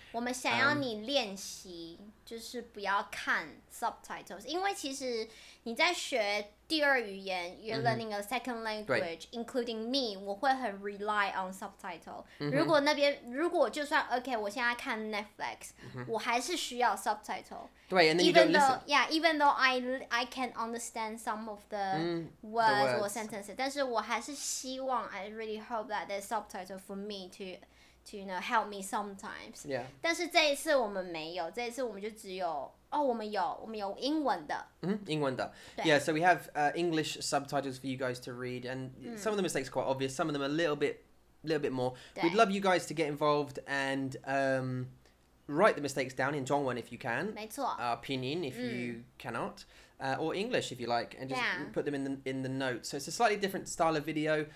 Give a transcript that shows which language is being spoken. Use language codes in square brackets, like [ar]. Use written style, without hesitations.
[zh] 我们想要你练习就是不要看 subtitles, 因为其实你在学第二语言 [en] you're learning a second language,、including me, [zh] 我会很 [en] rely on subtitle.、 [zh] 如果那边如果就算 OK, 我现在看 Netflix,、我还是需要 subtitle. 对 [en] and then you don't listen. Yeah, even though I can understand some of the,、words or sentences, [zh] 但是我还是希望 [en] I really hope that there's subtitle for me to you know, help me sometimes. Yeah. [zh] 但是这一次我们没有，这一次我们就只有哦，我们有英文的。英文的。 [en] Yeah. So we have、English subtitles for you guys to read, and、some of the mistakes are quite obvious. Some of them are a little bit more. We'd love you guys to get involved and、write the mistakes down in 中文 if you can. [zh] 没错。 [en] Pinyin if、you cannot. Or English, if you like, and just、put them in the notes. So it's a slightly different style of video.